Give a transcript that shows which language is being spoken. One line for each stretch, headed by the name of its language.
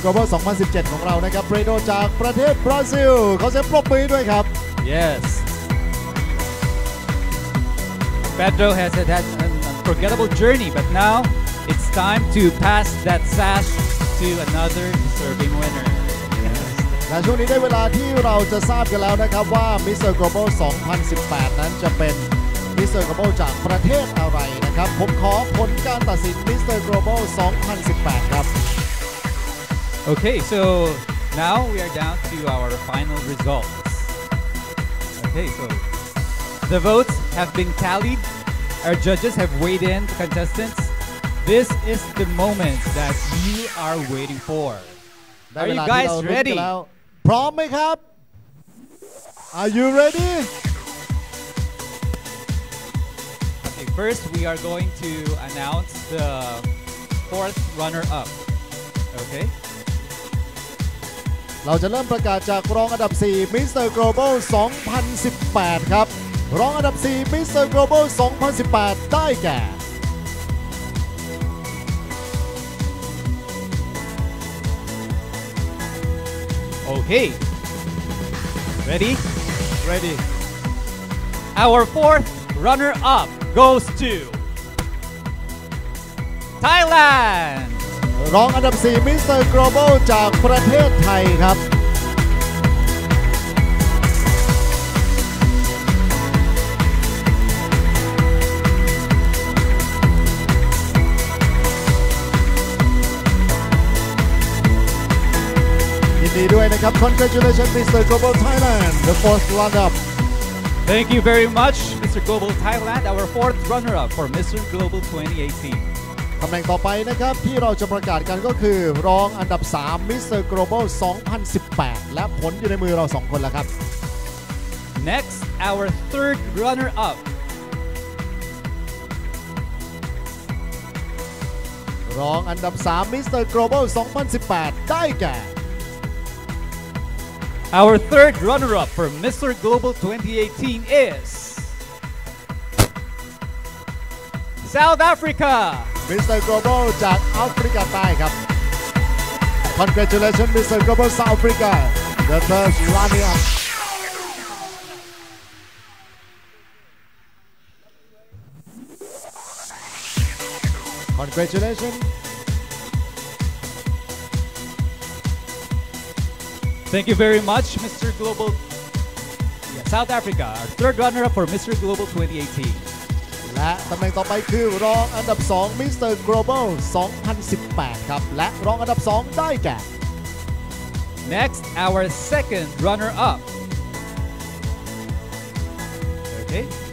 Thai: Global 2017ของเรานะครับ Pedro จากประเทศบราซิลเขาจะปรบมือด้วยครับ
English: Yes. Pedro has had an unforgettable journey, but now it's time to pass that sash to another deserving winner. Yes.
Thai: และช่วงนี้ได้เวลาที่เราจะทราบกันแล้วนะครับว่า Mr. Global 2018นั้นจะเป็นมิสเตอร์โกลบอลจากประเทศอะไรนะครับผมขอผลการตัดสินมิสเตอร์โกลบอล2018ครับ
English: โอเค so now we are down to our final results okay so the votes have been tallied our judges have weighed in the contestants this is the moment that you are waiting for are you guys ready
Thai: พร้อมไหมครับ
English: are you ready First, we are going to announce the fourth runner-up. Okay.
Thai: เราจะเริ่มประกาศจากรองอันดับ4 Mr. Global 2018ครับ รองอันดับ4 Mr. Global 2018ได้แก่
English: Okay. Ready? Ready. Our fourth runner-up. Goes to Thailand.
Thai: รองอันดับ4 Mr. Global จากประเทศไทยครับ ยินดีด้วยนะครับ
English: Congratulations Mr. Global Thailand, the fourth runner-up. Thank you very much, Mr. Global Thailand, our fourth runner-up for Mr. Global 2018.
Thai: ตำแหน่งต่อไปนะครับที่เราจะประกาศกันก็คือรองอันดับ3 Mr. Global 2018และผลอยู่ในมือเรา2คนแล้วครับ
English: Next, our third runner-up.
Thai: รองอันดับ3 Mr. Global 2018ได้แก่
English: Our third runner-up for Mr. Global 2018 is South Africa. Mr.
Thai: Global จากแอฟริกาใต้ครับ
English: Congratulations, Mr. Global South Africa, the first runner-up. Congratulations. Thank you very much, Mr. Global yeah, South Africa, our third runner-up for Mr. Global 2018.
Thai: และตำแหน่งต่อไปคือรองอันดับ2 Mr. Global 2018ครับและรองอันดับ2ได้แก่
English: Next, our second runner-up. Okay.